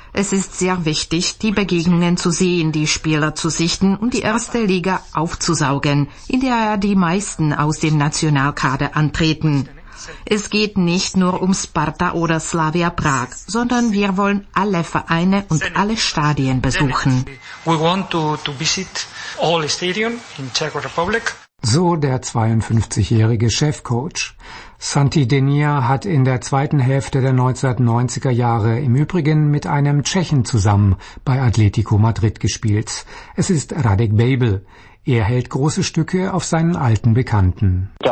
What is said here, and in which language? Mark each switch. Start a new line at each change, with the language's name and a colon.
German: Es ist sehr wichtig, die Begegnungen zu sehen, die Spieler zu sichten und die erste Liga aufzusaugen, in der ja die meisten aus dem Nationalkader antreten. Es geht nicht nur um Sparta oder Slavia Prag, sondern wir wollen alle Vereine und alle Stadien besuchen.
English: We want to visit all stadiums in Czech Republic.
German: So der 52-jährige Chefcoach. Santi Denia hat in der zweiten Hälfte der 1990er Jahre im Übrigen mit einem Tschechen zusammen bei Atletico Madrid gespielt. Es ist Radek Babel. Er hält große Stücke auf seinen alten Bekannten.